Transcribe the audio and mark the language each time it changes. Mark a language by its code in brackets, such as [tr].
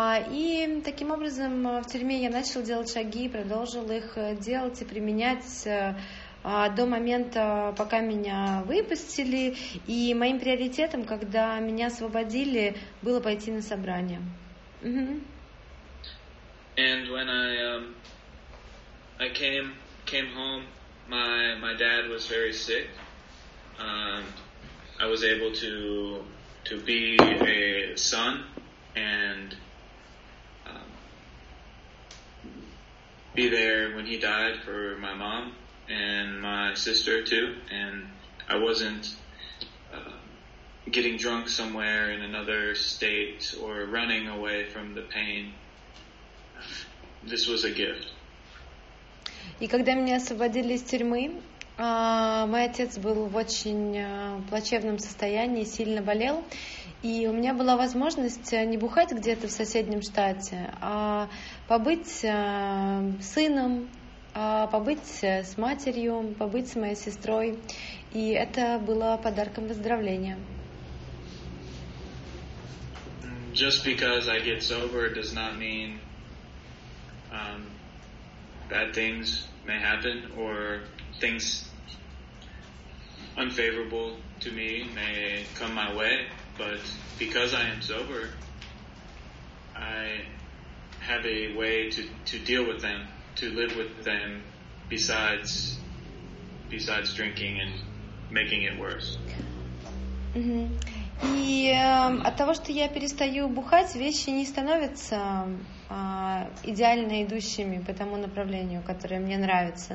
[ru] И таким образом в тюрьме я начал делать шаги, продолжил их делать и применять до момента, пока меня выпустили. И моим приоритетом, когда меня освободили, было пойти на собрание. [en] And when I came home, my dad was very sick. I was able to be a son and be there when he died for my mom and my sister too. And I wasn't getting drunk somewhere in another state or running away from the pain. This was a gift. [ru] И когда меня освободили из тюрьмы, мой отец был в очень плачевном состоянии, сильно болел. И у меня была возможность не бухать где-то в соседнем штате, а побыть сыном, побыть с матерью, побыть с моей сестрой. И это было подарком выздоровления. [en] Just because I get sober does not mean bad things may happen or things unfavorable to me may come my way, but because I am sober, I have a way to deal with them, to live with them besides drinking and making it worse. [ru] И от того, что я перестаю бухать, вещи не становятся идеально идущими по тому направлению, которое мне нравится.